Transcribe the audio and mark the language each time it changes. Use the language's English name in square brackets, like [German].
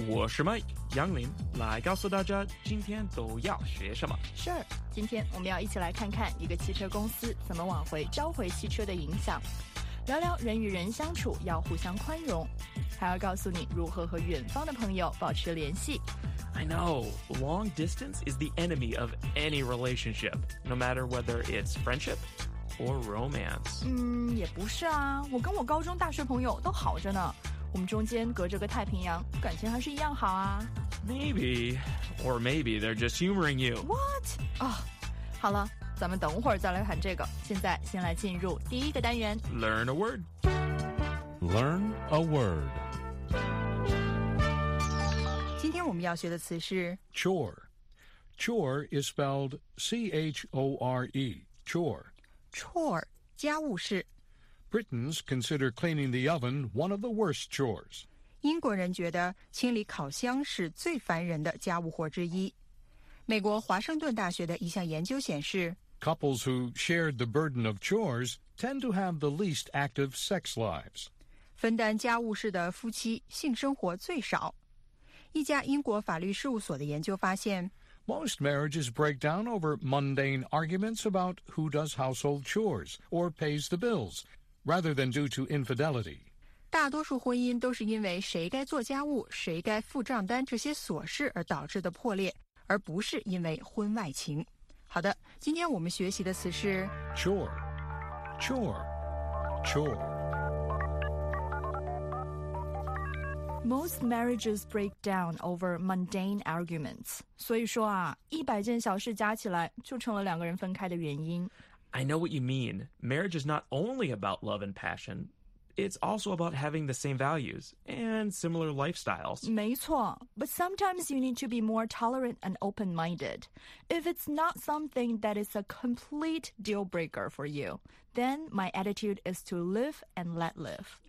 [Chinese] 我是麦杨林，来告诉大家今天都要学什么。 [English] Sure， [Chinese] 今天我们要一起来看看一个汽车公司怎么挽回召回汽车的影响，聊聊人与人相处要互相宽容，还要告诉你如何和远方的朋友保持联系。 [English] I know, long distance is the enemy of any relationship, no matter whether it's friendship or romance. [Chinese] 也不是啊，我跟我高中大学朋友都好着呢，我们中间隔着个太平洋，感情还是一样好啊。 [English] Maybe, or maybe they're just humoring you. What? [Chinese] 好了，咱们等会儿再来谈这个，现在先来进入第一个单元。 [English] Learn a word. Learn a word. [Chinese] 今天我们要学的词是 [English] chore. Chore is spelled C-H-O-R-E, chore. Chore, [Chinese] 家务事。 [English] Britons consider cleaning the oven one of the worst chores. [Chinese] 英国人觉得清理烤箱是最烦人的家务活之一。美国华盛顿大学的一项研究显示， [English] Couples who shared the burden of chores tend to have the least active sex lives. [Chinese] 分担家务事的夫妻性生活最少。一家英国法律事务所的研究发现， [English] Most marriages break down over mundane arguments about who does household chores or pays the bills, rather than due to infidelity. [Chinese] 大多数婚姻都是因为谁该做家务、谁该付账单这些琐事而导致的破裂，而不是因为婚外情。好的，今天我们学习的词是 [English] chore, chore, chore. Most marriages break down over mundane arguments. [Chinese] 所以说啊，一百件小事加起来就成了两个人分开的原因。 [English] I know what you mean. Marriage is not only about love and passion. It's also about having the same values and similar lifestyles. [Chinese] 没错。 [English] But sometimes you need to be more tolerant and open-minded. If it's not something that is a complete deal-breaker for you, then my attitude is to live and let live.